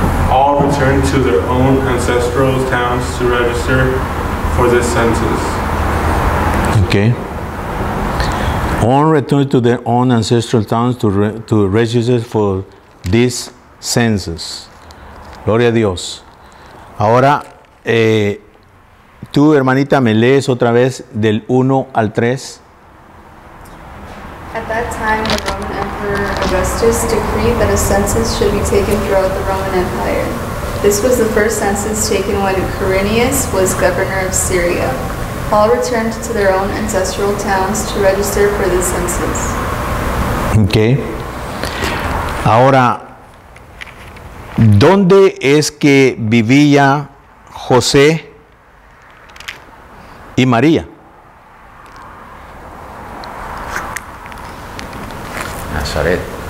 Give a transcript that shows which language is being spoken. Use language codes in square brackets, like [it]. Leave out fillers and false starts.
[en] All returned to their own ancestral towns to register for this census. Okay. All returned to their own ancestral towns to register for this census. [es] Gloria a Dios. Ahora, tú, hermanita, me lees otra vez del 1 al 3. [en] At that time, the Roman Emperor Augustus decreed that a census should be taken throughout the Roman Empire. This was the first census taken when Quirinius was governor of Syria. All returned to their own ancestral towns to register for the census. Okay. [es] Ahora, ¿dónde es que vivía José y María? Nazaret.